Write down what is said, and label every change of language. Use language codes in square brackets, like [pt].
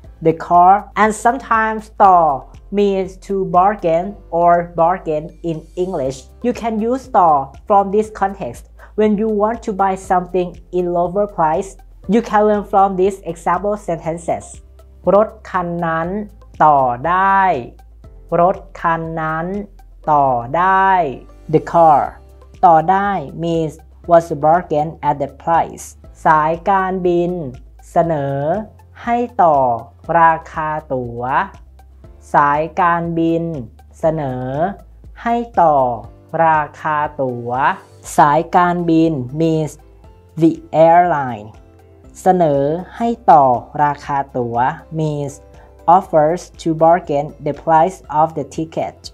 [en] The car and sometimes ต่อ means to bargain or bargain in English. You can use ต่อ from this context when you want to buy something in lower price. You can learn from these example sentences. [th] รถคันนั้นต่อได้รถคันนั้นต่อได้ [en] The car [th] ต่อได้ [en] means was a bargain at the price. [th] สายการบินเสนอให้ต่อราคาตั๋วสายการบินเสนอให้ต่อราคาตั๋ว สายการบิน [en] means the airline [th] เสนอให้ต่อราคาตั๋ว [en] means offers to bargain the price of the ticket